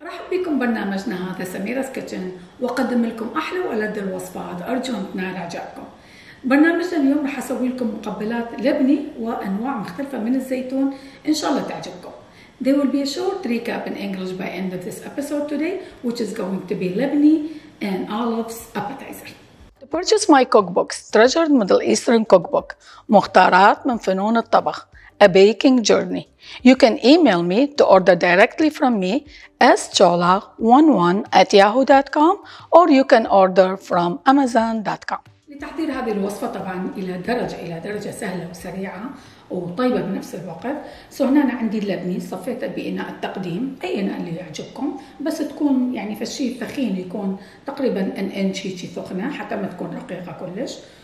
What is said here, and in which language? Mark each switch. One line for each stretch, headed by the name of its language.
Arabic: بكم برنامجنا هذا سميرز كيتشن، وقدم لكم احلى ولذ الوصفات، ارجو ان تنال اعجابكم. برنامجنا اليوم راح اسوي لكم مقبلات لبني وانواع مختلفه من الزيتون، ان شاء الله تعجبكم.
English: There will be a short recap in English by end of this episode today, which is going to be lebni and olives appetizer. To purchase my cookbook, Treasured Middle Eastern Cookbook, مختارات من فنون الطبخ. A baking journey. You can email me to order directly from me as chola11@yahoo.com or you can order from amazon.com.
Arabic: لتحضير هذه الوصفة طبعا إلى درجة سهلة وسريعة وطيبة بنفس الوقت. سو هنا أنا عندي اللبني صفيته بإناء التقديم، أي إناء اللي يعجبكم، بس تكون يعني فشي ثخين، يكون تقريبا ان انش هيجي ثخنة حتى ما تكون رقيقة كلش.